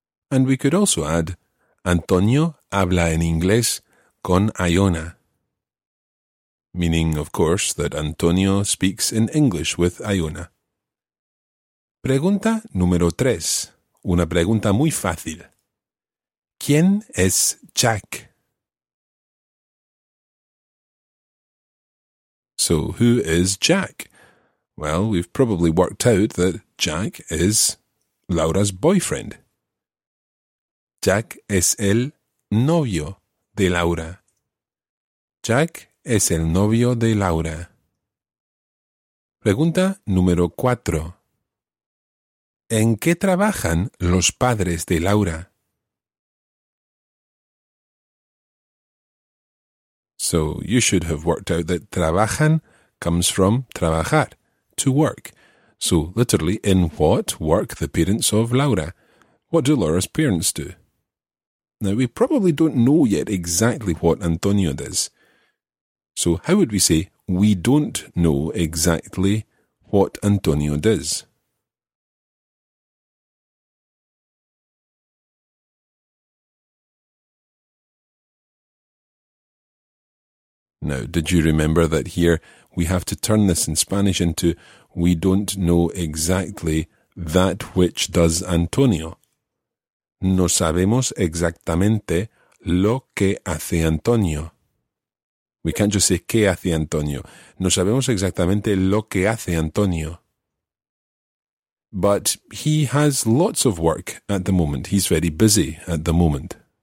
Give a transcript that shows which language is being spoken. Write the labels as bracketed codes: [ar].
[en] And we could also add, [es] Antonio habla en inglés con Ayona. [en] Meaning, of course, that Antonio speaks in English with Ayona. [es] Pregunta número 3. Una pregunta muy fácil. ¿Quién es Jack? [en] So, who is Jack? Well, we've probably worked out that Jack is Laura's boyfriend. [es] Jack es el novio de Laura. Jack es el novio de Laura. Pregunta número 4. ¿En qué trabajan los padres de Laura? [en] So, you should have worked out that trabajan comes from trabajar, to work. So, literally, in what work the parents of Laura? What do Laura's parents do? Now, we probably don't know yet exactly what Antonio does. So, how would we say, we don't know exactly what Antonio does? Now, did you remember that here we have to turn this in Spanish into we don't know exactly that which does Antonio? [es] No sabemos exactamente lo que hace Antonio. [en] We can't just say [es] qué hace Antonio. No sabemos exactamente lo que hace Antonio. [en] But he has lots of work at the moment. He's very busy at the moment.